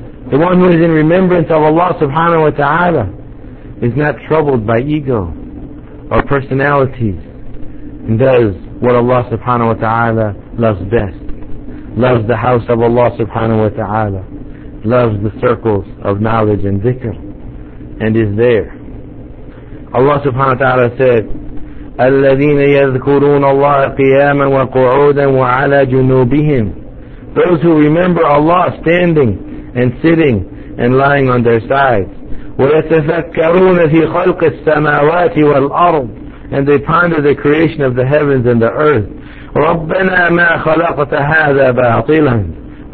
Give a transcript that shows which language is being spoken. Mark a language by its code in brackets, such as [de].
[en] The one who is in remembrance of Allah subhanahu wa ta'ala is not troubled by ego or personalities, and does what Allah subhanahu wa ta'ala loves best, loves the house of Allah subhanahu wa ta'ala, loves the circles of knowledge and dhikr, and is there. Allah subhanahu wa ta'ala said, [ar] الَّذِينَ يَذْكُرُونَ اللَّهَ قِيَامًا وَقُعُودًا وَعَلَى جُنُوبِهِمْ. [en] Those who remember Allah standing and sitting and lying on their sides. [ar] وَيَتَفَكَّرُونَ فِي خَلْقِ السَّمَاوَاتِ وَالْأَرْضِ. [en] And they ponder the creation of the heavens and the earth. [ar] رَبَّنَا مَا خَلَقْتَ هَذَا بَاطِلًا.